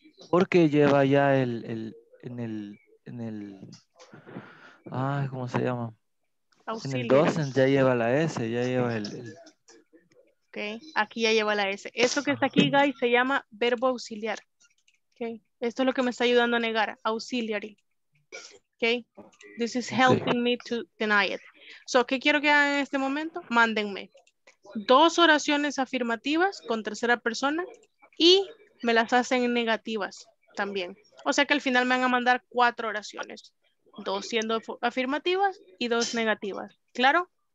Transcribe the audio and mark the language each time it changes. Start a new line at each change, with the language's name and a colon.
Spanish: Porque lleva ya el en el, en el, ay, ¿cómo se llama? Auxilio. En el docent ya lleva la S, ya lleva el. Ok, aquí ya lleva la S. Eso que está aquí, guys, se llama verbo auxiliar. Ok, esto es lo que me está ayudando a negar, auxiliary.
English: Ok, this is helping me to deny it.
Spanish: So, ¿qué quiero que hagan en este momento? Mándenme dos oraciones afirmativas con tercera persona y me las hacen negativas también. O sea que al final me van a mandar cuatro oraciones. Dos siendo afirmativas y dos negativas. ¿Claro?